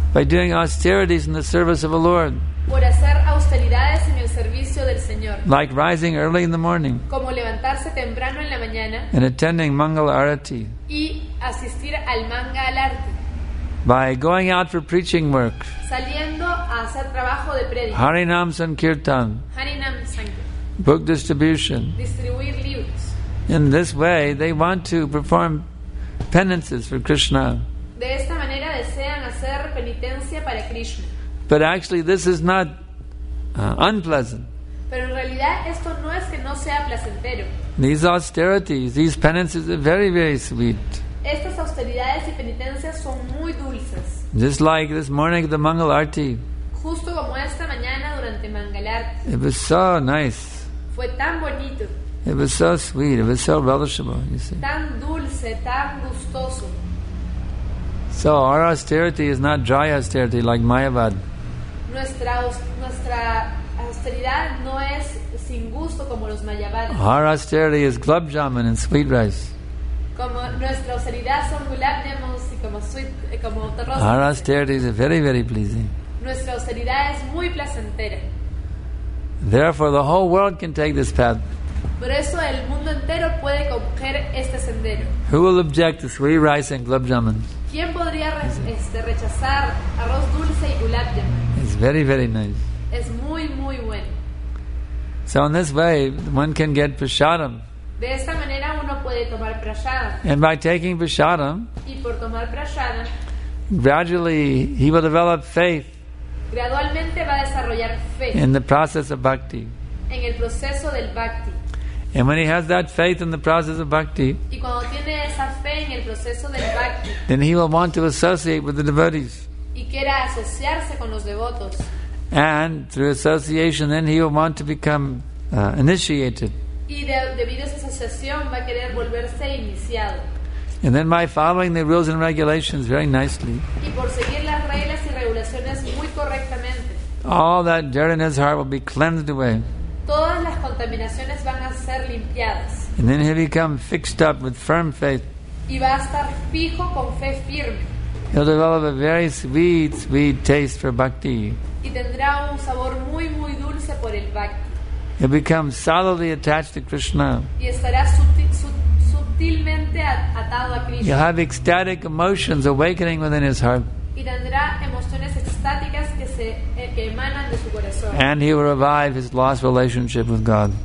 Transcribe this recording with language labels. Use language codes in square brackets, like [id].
[en] By doing austerities in the service of the Lord. [es] Por hacer austeridades en el servicio del Señor. [en] Like rising early in the morning. [es] Como levantarse temprano en la mañana. [en] And attending Mangala Arati. [es] Y asistir al Mangala Arati. [en] By going out for preaching work. [es] Saliendo a hacer trabajo de predica. [sa] Harinam Sankirtan. Harinam Sankirtan. [en] Book distribution. [es] Distribuir libros. [en] In this way, they want to perform penances for Krishna. [es] De esta manera desean hacer penitencia para Krishna. [en] But actually, this is not unpleasant. [es] Pero en realidad, esto no es que no sea placentero. [en] These austerities, these penances are very, very sweet. [es] Estas austeridades y penitencias son muy dulces. [en] Just like this morning, the Mangala Arati. [es] Justo como esta mañana durante Mangala Arati. [en] It was so nice. [es] Fue tan bonito. [en] It was so sweet. It was so relishable. You see. [es] Tan dulce, tan gustoso. [en] So our austerity is not dry austerity like Mayavad. [es] Nuestra austeridad no es sin gusto como los Mayavad. [en] Our austerity is gulab jamun and sweet rice. Our austerity is very, very pleasing. [es] Nuestra austeridad es muy placentera. [en] Therefore, the whole world can take this path. [es] Por eso el mundo entero puede coger este sendero. [en] Who will object to sweet rice and gulab jamun? [es] ¿Quién podría rechazar arroz dulce y gulab jamun? [en] It's very, very nice. [es] Es muy, muy bueno. [en] So in this way, one can get prasadam. [es] De esta manera uno puede tomar prasadam. [en] And by taking prasadam, [es] y por tomar prasadam, [en] gradually he will develop faith. [es] Gradualmente va a desarrollar fe. [en] In the process of bhakti. [es] En el proceso del bhakti. [en] And when he has that faith in the process of bhakti, [es] y cuando tiene esa fe en el proceso del bhakti, [en] then he will want to associate with the devotees. [es] Y quiera asociarse con los devotos. [en] And through association, then he will want to become initiated. [es] Y debido a esa asociación va a querer volverse iniciado. [en] And then by following the rules and regulations very nicely. [es] Y por seguir las reglas y regulaciones muy correctamente. [en] All that dirt in his heart will be cleansed away. [es] Todas las contaminaciones van a ser limpiadas. [en] And then he'll become fixed up with firm faith. [es] Y va a estar fijo con fe firme. [en] He'll develop a very sweet, sweet taste for bhakti. [es] Y tendrá un sabor muy, muy dulce por el bhakti. [en] He'll become solidly attached to Krishna. [es] Y estará sutilmente atado a Krishna. [en] He'll have ecstatic emotions awakening within his heart. [es] Y tendrá emociones extáticas que emanan de su corazón. [en] And he will revive his lost relationship with God.